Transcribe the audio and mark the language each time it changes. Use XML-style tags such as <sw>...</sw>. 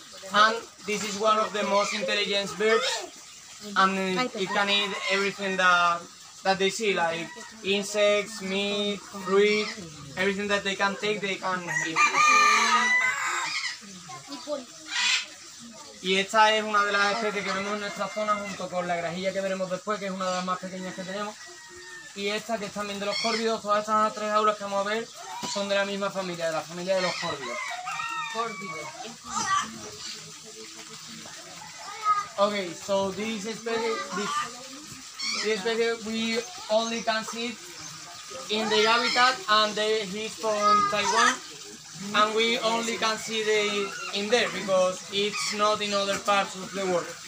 <en>And this is one of the most intelligent birds. And it can eat everything that they see, like insects, meat, fruit, everything that they can take, they can eat.</en> <es>Y esta es una de las especies que vemos en nuestra zona, junto con la grajilla que veremos después, que es una de las más pequeñas que tenemos. Y esta, que están viendo los córvidos, todas estas tres auras que vamos a ver son de la misma familia, de la familia de los córvidos.</es> <en>Okay, so this specie we only can see in the habitat, and he's from Taiwan. And we only can see it in there because it's not in other parts of the world.</en>